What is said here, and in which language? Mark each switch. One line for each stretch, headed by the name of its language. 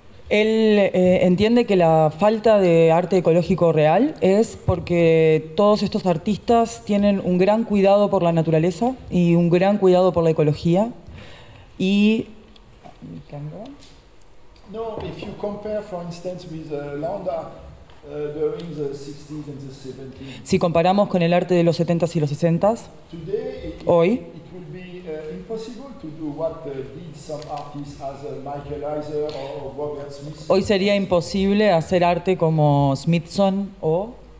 Spanish: Él entiende que la falta de arte ecológico real es porque todos estos artistas tienen un gran cuidado por la naturaleza y un gran cuidado por la ecología y
English: no, if you compare for instance with land art during the 60s and the 70s.
Spanish: Si comparamos con el arte de los 70s y los 60s,
English: today,
Spanish: hoy
English: it would be impossible to do what did some artists as Michael Eisner or Robert Smithson.
Spanish: Hoy sería imposible hacer arte como Smithson o